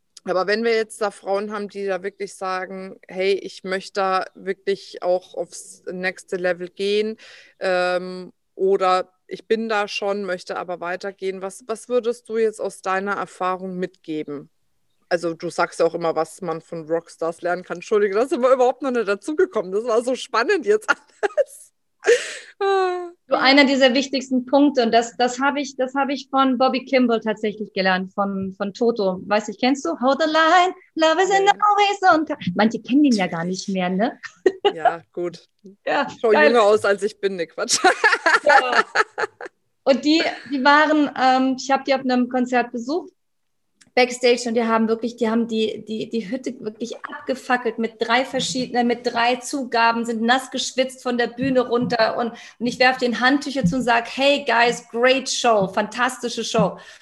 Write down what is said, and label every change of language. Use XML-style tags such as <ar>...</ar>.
<de>Aber wenn wir jetzt da Frauen haben, die da wirklich sagen, hey, ich möchte da wirklich auch aufs nächste Level gehen, oder ich bin da schon, möchte aber weitergehen, was würdest du jetzt aus deiner Erfahrung mitgeben? Also du sagst ja auch immer, was man von Rockstars lernen kann. Entschuldige, das ist aber überhaupt noch nicht dazugekommen. Das war so spannend jetzt alles. So einer dieser wichtigsten Punkte, und das habe ich von Bobby Kimball tatsächlich gelernt, von Toto. Weiß ich, kennst du?</de> <en>Hold the line, love is in the horizon.</en> <de>Manche kennen ihn ja gar nicht mehr, ne? Ja, gut. Ja, ich schaue jünger aus, als ich bin, ne Quatsch. Ja. Und die waren, ich habe die auf einem Konzert besucht, Backstage, und die haben die Hütte wirklich abgefackelt mit drei Zugaben, sind nass geschwitzt von der Bühne runter, und ich werfe den Handtücher zu und sage,</de> <en>hey guys, great show,</en> <de>fantastische Show.</de>